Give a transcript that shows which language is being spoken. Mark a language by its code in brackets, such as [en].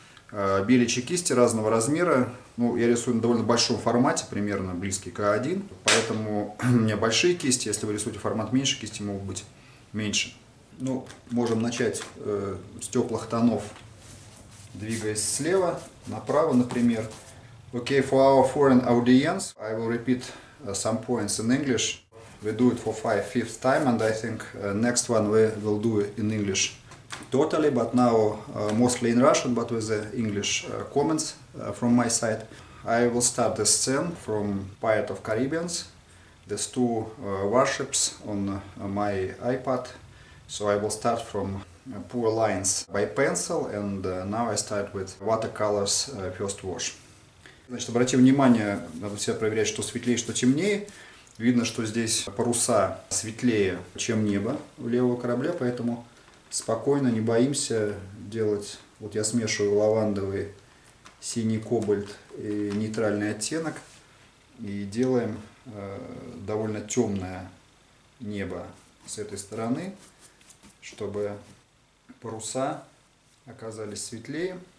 [ru] Беличьи кисти разного размера. Ну, я рисую на довольно большом формате, примерно близкий к А1. Поэтому у меня большие кисти, если вы рисуете формат меньше, кисти могут быть меньше. Ну, можем начать с теплых тонов, двигаясь слева, направо, например. [en] Okay, for our foreign audience, I will repeat some points in English. We do it for 5th time, and I think next one we will do in English totally, but now mostly in Russian, but with the English comments from my side. I will start the scene from Pirates of Caribbean, these two warships on my iPad. So I will start from poor lines by pencil, and now I start with watercolors first wash. [ru] Значит, обрати внимание, надо себя проверять, что светлее, что темнее. Видно, что здесь паруса светлее, чем небо у левого корабля, поэтому спокойно, не боимся делать. Вот я смешиваю лавандовый, синий кобальт и нейтральный оттенок, и делаем довольно темное небо с этой стороны, чтобы паруса оказались светлее.